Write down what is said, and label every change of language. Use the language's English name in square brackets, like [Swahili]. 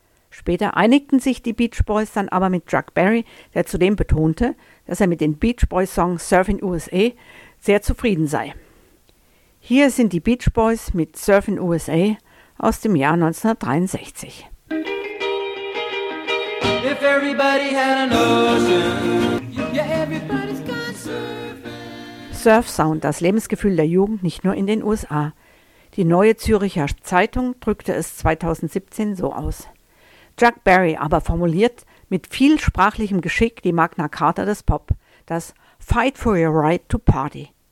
[German] Später einigten sich die Beach Boys dann aber mit Chuck Berry, der zudem betonte, dass er mit dem Beach Boys Song Surfing USA sehr zufrieden sei. Hier sind die Beach Boys mit Surfing USA aus dem Jahr 1963. [English] If everybody had an ocean, yeah, everybody's gone surfing. [German] Surf Sound, das Lebensgefühl der Jugend, nicht nur in den USA. Die Neue Züricher Zeitung drückte es 2017 so aus. Chuck Berry aber formuliert mit viel sprachlichem Geschick die Magna Carta des Pop, das Fight for your right to party.